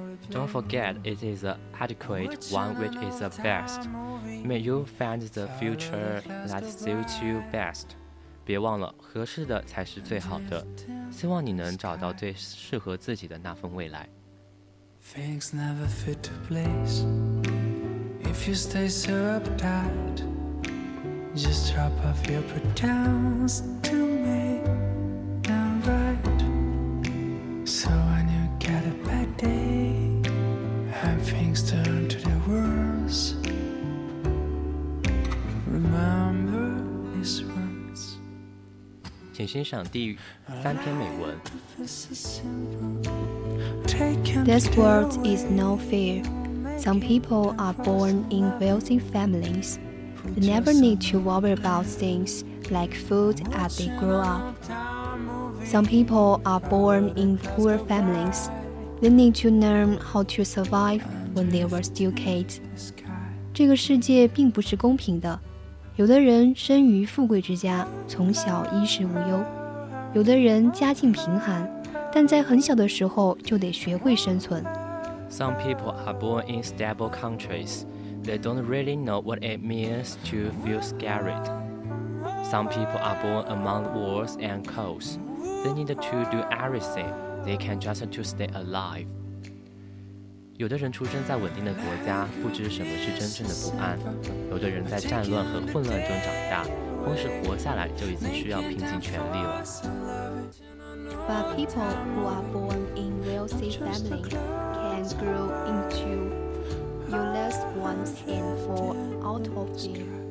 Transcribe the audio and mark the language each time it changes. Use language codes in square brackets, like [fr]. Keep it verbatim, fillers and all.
[en] Don't forget, it is the adequate one which is the best. May you find the future that suits you best. [zh] 别忘了，合适的才是最好的。希望你能找到最适合自己的那份未来。 [en] Things never fit to place. If you stay so uptight, just drop off your pretense to me. I'm right. So when you get a bad day, and things turn to the worst, remember this once. [zh] 请欣赏第三篇美文。 [en] This world is no fair. Some people are born in wealthy families. They never need to worry about things like food as they grow up. Some people are born in poor families. They need to learn how to survive when they were still kids. [zh] 这个世界并不是公平的，有的人生于富贵之家，从小衣食无忧；有的人家境贫寒，但在很小的时候就得学会生存。 [en] Some people are born in stable countries. They don't really know what it means to feel scared. Some people are born among wars and coals. They need to do everything they can just to stay alive. [zh] 有的人出生在稳定的国家，不知什么是真正的不安；有的人在战乱和混乱中长大，光是活下来就已经需要拼尽全力了。 [en] But people who are born in wealthy families can grow into useless ones and fall out of fame.